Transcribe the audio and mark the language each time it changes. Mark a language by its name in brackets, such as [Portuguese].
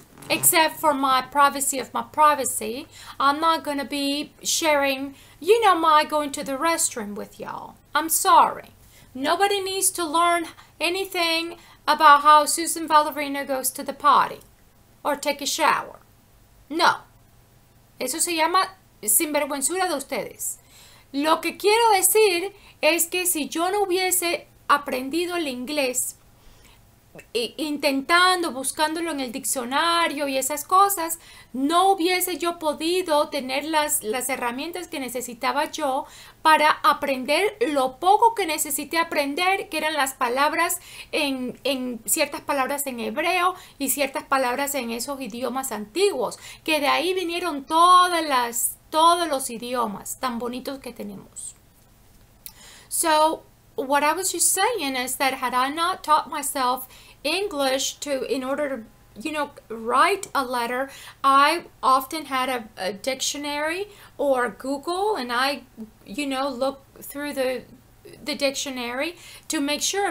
[English] Except for my privacy of my privacy. I'm not going to be sharing, you know, my going to the restroom with y'all. I'm sorry. Nobody needs to learn anything about how Susan Valerina goes to the potty or take a shower. [Spanish] No. Eso se llama sinvergüenzura de ustedes. Lo que quiero decir es que si yo no hubiese aprendido el inglés, intentando, buscándolo en el diccionario y esas cosas, no hubiese yo podido tener las herramientas que necesitaba yo para aprender lo poco que necesité aprender, que eran las palabras en ciertas palabras en hebreo y ciertas palabras en esos idiomas antiguos, que de ahí vinieron todos los idiomas tan bonitos que tenemos. [English] So, what I was just saying is that had I not taught myself English in order to, you know, write a letter, I often had a dictionary or Google, and I, you know, look through the dictionary to make sure.